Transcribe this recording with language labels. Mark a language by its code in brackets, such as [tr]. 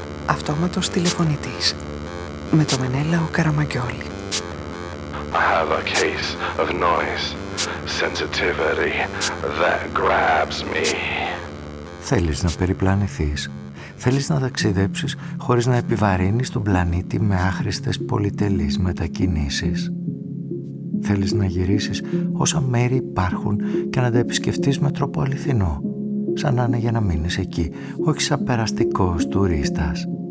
[el] αυτόματος τηλεφωνητής. Με το Μενέλαο Καραμαγκιόλη. [en] I have a case of noise sensitivity that grabs me. [el] Θέλεις να περιπλανηθείς. Θέλεις να ταξιδέψεις χωρίς να επιβαρύνεις τον πλανήτη με άχρηστες πολυτελείς μετακινήσεις. Θέλεις να γυρίσεις όσα μέρη υπάρχουν και να τα επισκεφτείς με τρόπο αληθινό. Σαν να είναι για να μείνεις εκεί, όχι σαν περαστικός τουρίστας.